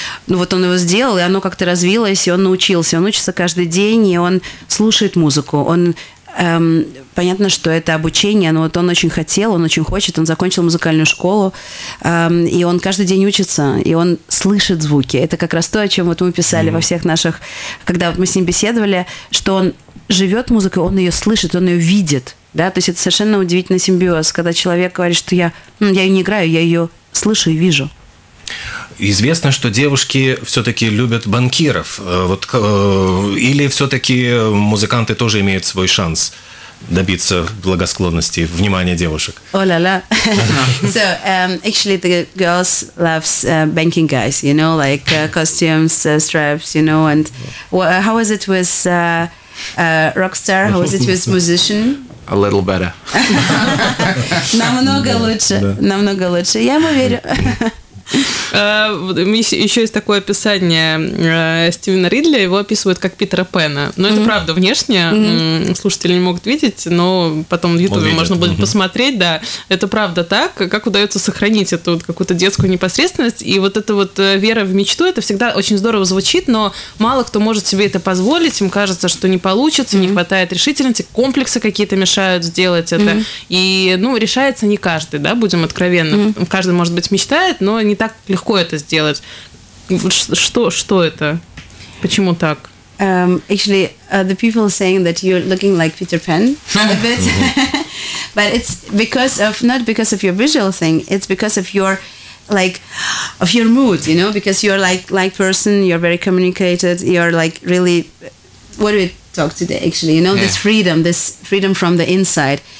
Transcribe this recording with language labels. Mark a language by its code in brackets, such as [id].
[ru] Ну, вот он его сделал, и оно как-то развилось, и он научился, он учится каждый день, и он слушает музыку, он понятно, что это обучение, но вот он очень хотел, он очень хочет, он закончил музыкальную школу, и он каждый день учится, и он слышит звуки, это как раз то, о чем вот мы писали во всех наших, когда вот мы с ним беседовали, что он живет музыкой, он ее слышит, он ее видит, да, то есть это совершенно удивительный симбиоз, когда человек говорит, что я ее не играю, я ее слышу и вижу. Известно, что девушки все-таки любят банкиров. Вот, или все-таки музыканты тоже имеют свой шанс добиться благосклонности, внимания девушек? О-ля-ля. [en] So, actually, the girls love banking guys, you know, like costumes, straps, you know. And how was it with rockstar? How was it with musician? A little better. [ru] Намного лучше, намного лучше. Я ему верю. Еще есть такое описание Стивена Ридли, его описывают как Питера Пэна. Но это правда, внешне слушатели не могут видеть, но потом в Ютубе можно будет посмотреть, да. Это правда так. Как удается сохранить эту вот какую-то детскую непосредственность? И вот эта вот вера в мечту, это всегда очень здорово звучит, но мало кто может себе это позволить, им кажется, что не получится, не хватает решительности, комплексы какие-то мешают сделать это. И, ну, решается не каждый, да, будем откровенны. Каждый, может быть, мечтает, но не так легко это сделать. Что это? Почему так? [en] Actually, the people are saying that you're looking like Peter Pan a bit. But it's because of, not because of your visual thing, it's because of your, like, of your mood, you know, because you're like person, you're very communicated, you're like really, what do we talk today, actually, you know, this freedom from the inside.